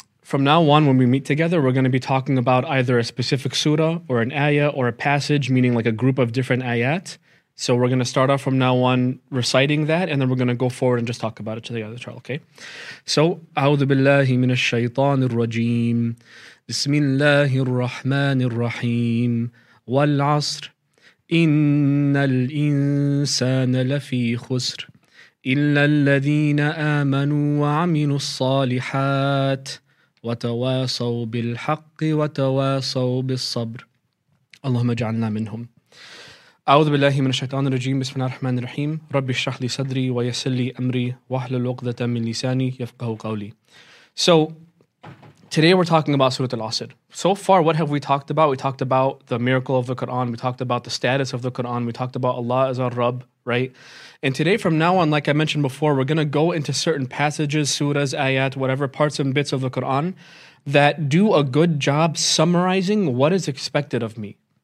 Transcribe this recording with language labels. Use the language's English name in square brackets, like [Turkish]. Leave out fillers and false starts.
[English] From now on, when we meet together, we're going to be talking about either a specific surah or an ayah or a passage, meaning like a group of different ayat. So we're going to start off from now on reciting that, and then we're going to go forward and just talk about it together, inshallah, okay? [Arabic] So, أعوذ بالله من الشيطان الرجيم بسم الله الرحمن الرحيم والعصر إن الإنسان لفي خسر إلا الذين آمنوا وعملوا الصالحات وتواصوا بالحق وتواصوا بالصبر اللهم اجعلنا منهم أعوذ بالله من الشيطان الرجيم بسم الله الرحمن الرحيم رب اشرح لي صدري ويسر لي أمري واحلل عقدة من لساني يفقهوا قولي. [English] So today we're talking about Surat Al-Asr. So far, what have we talked about? We talked about the miracle of the Quran. We talked about the status of the Quran. We talked about Allah as our Rabb, right? And today from now on, like I mentioned before, we're going to go into certain passages, surahs, ayat, whatever parts and bits of the Quran that do a good job summarizing what is expected of me.